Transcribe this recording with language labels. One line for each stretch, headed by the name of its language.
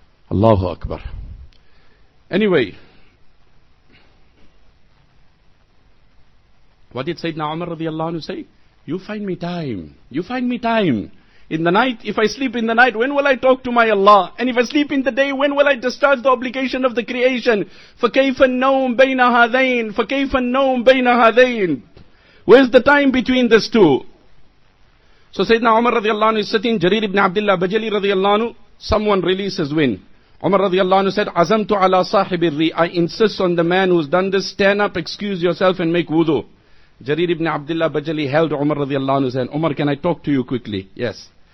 English: Allahu Akbar. Anyway, what did Sayyidina Umar radiallahu anhu say? You find me time. You find me time. In the night, if I sleep in the night, when will I talk to my Allah? And if I sleep in the day, when will I discharge the obligation of the creation?
Arabic: فَكَيْفَ النَّوْمْ بَيْنَ هَذَيْنَ فَكَيْفَ النَّوْمْ بَيْنَ هَذَيْنَ
English: Where's the time between these two? So Sayyidina Umar radiallahu anhu is sitting, Jarir ibn Abdullah Bajali radiallahu anhu, someone releases wind. Umar radiallahu anhu said,
Arabic: عَزَمْتُ عَلَىٰ صَاحِبِ الرِّيْءِ
English: I insist on the man who's done this, stand up, excuse yourself and make wudu. Jarir ibn Abdullah Bajali held Umar radiallahu anhu saying, Umar, can I talk to you quickly? Yes.